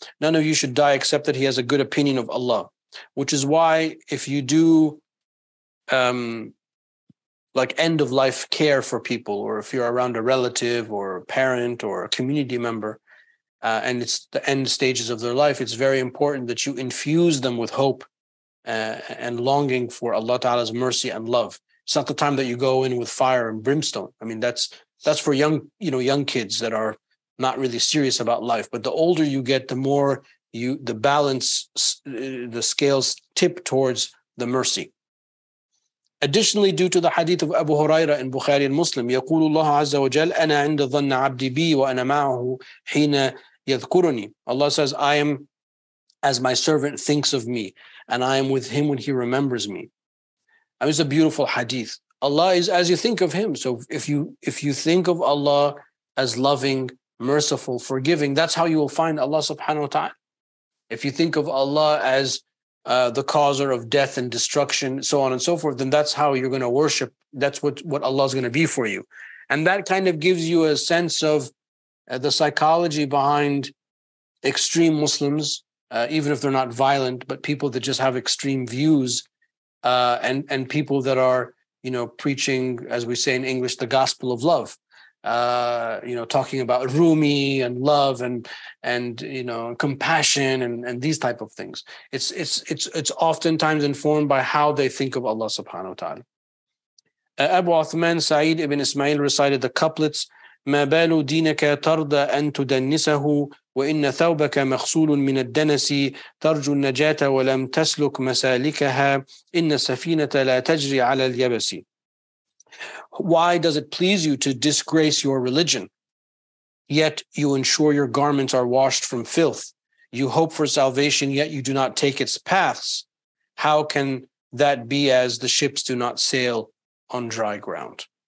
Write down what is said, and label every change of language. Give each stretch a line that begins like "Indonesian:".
English: None of you should die except that he has a good opinion of Allah. Which is why if you do like end-of-life care for people, or if you're around a relative or a parent or a community member, and it's the end stages of their life, it's very important that you infuse them with hope and longing for Allah Ta'ala's mercy and love. It's not the time that you go in with fire and brimstone. I mean, that's for young kids that are not really serious about life. But the older you get, the more the balance, the scales tip towards the mercy. Additionally, due to the hadith of Abu Huraira in Bukhari and Muslim,
Arabic: يقول الله عز وجل أنا عند ظن عبدي بي وأنا معه حين يذكرني.
English: Allah says, I am as my servant thinks of me, and I am with him when he remembers me. I mean, it's a beautiful hadith. Allah is as you think of him. So if you think of Allah as loving, merciful, forgiving, that's how you will find Allah subhanahu wa ta'ala. If you think of Allah as the causer of death and destruction, so on and so forth, then that's how you're going to worship. That's what Allah is going to be for you. And that kind of gives you a sense of the psychology behind extreme Muslims, even if they're not violent, but people that just have extreme views. and people that are, you know, preaching, as we say in English, the gospel of love, you know, talking about Rumi and love and you know, compassion and these type of things. It's oftentimes informed by how they think of Allah subhanahu wa ta'ala. Abu Uthman Sa'id ibn Ismail recited the couplets,
Arabic: مَا بَالُ دِينَكَ تَرْضَى أَن تُدَنِّسَهُ وَإِنَّ ثَوْبَكَ مَخْصُولٌ مِنَ الدَّنَسِ تَرْجُ النَّجَاةَ وَلَمْ تَسْلُكْ مَسَالِكَهَا إِنَّ السَّفِينَةَ لَا تَجْرِي عَلَى الْيَبَسِ.
English: Why does it please you to disgrace your religion, yet you ensure your garments are washed from filth? You hope for salvation, yet you do not take its paths. How can that be as the ships do not sail on dry ground?